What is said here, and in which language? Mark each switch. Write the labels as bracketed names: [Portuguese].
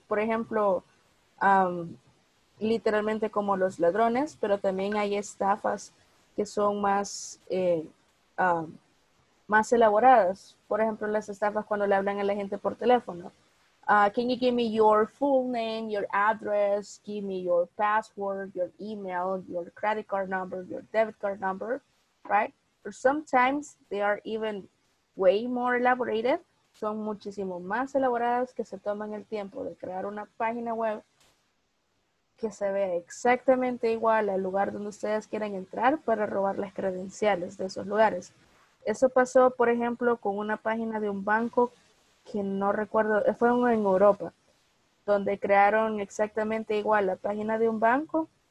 [Spanish] Por ejemplo, literalmente como los ladrones, pero también hay estafas que son más, más elaboradas. Por ejemplo, las estafas cuando le hablan a la gente por teléfono. [English] Can you give me your full name, your address, give me your password, your email, your credit card number, your debit card number, right? Or sometimes they are even way more elaborated. [Spanish] Son muchísimo más elaboradas que se toman el tiempo de crear una página web que se vea exactamente igual al lugar donde ustedes quieren entrar para robar las credenciales de esos lugares. Eso pasó, por ejemplo, con una página de un banco que no recuerdo, fue en Europa, donde crearon exactamente igual la página de un banco.